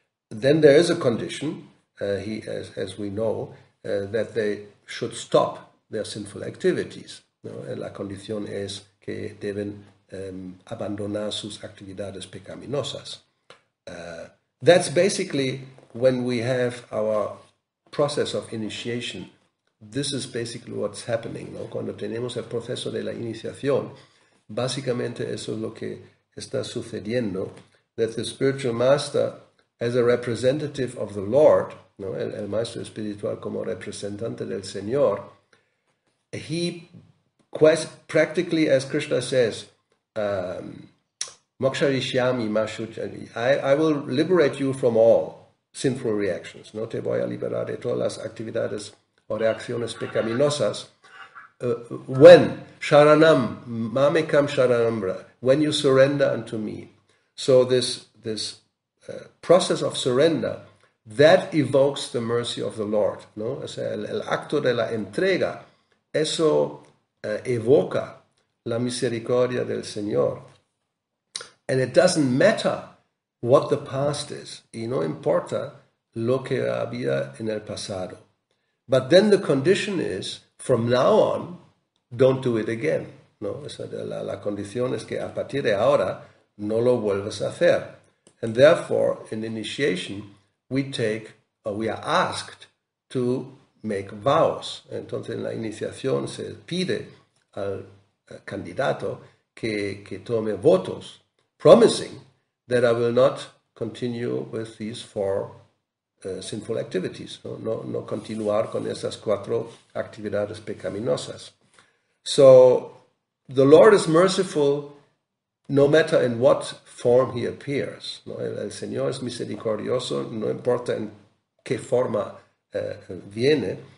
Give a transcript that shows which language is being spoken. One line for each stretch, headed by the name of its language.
English: Then there is a condition, as we know, that they should stop their sinful activities, ¿no?
Spanish: La condición es que deben abandonar sus actividades pecaminosas.
English: That's basically when we have our process of initiation. This is basically what's happening, ¿no?
Spanish: Cuando tenemos el proceso de la iniciación, básicamente eso es lo que está sucediendo,
English: that the spiritual master, as a representative of the Lord, ¿no?
Spanish: El maestro espiritual como representante del Señor,
English: he quest, practically, as Krishna says, moksharishyami, I will liberate you from all sinful reactions.
Spanish: No te voy a liberar de todas las actividades o reacciones pecaminosas.
English: When sharanam, mamekam sharanambra, when you surrender unto me. So this process of surrender, that evokes the mercy of the Lord.
Spanish: No, o sea, el acto de la entrega, eso evoca la misericordia del Señor.
English: And it doesn't matter what the past is,
Spanish: y no importa lo que había en el pasado.
English: But then the condition is, from now on, don't do it again.
Spanish: No, o sea, la condición es que a partir de ahora no lo vuelvas a hacer.
English: And therefore, in initiation, we are asked to make vows.
Spanish: Entonces, en la iniciación se pide al candidato que tome votos,
English: promising that I will not continue with these four sinful activities,
Spanish: ¿no? No continuar con esas cuatro actividades pecaminosas.
English: So, the Lord is merciful no matter in what form he appears, ¿no?
Spanish: El Señor es misericordioso, no importa en qué forma viene.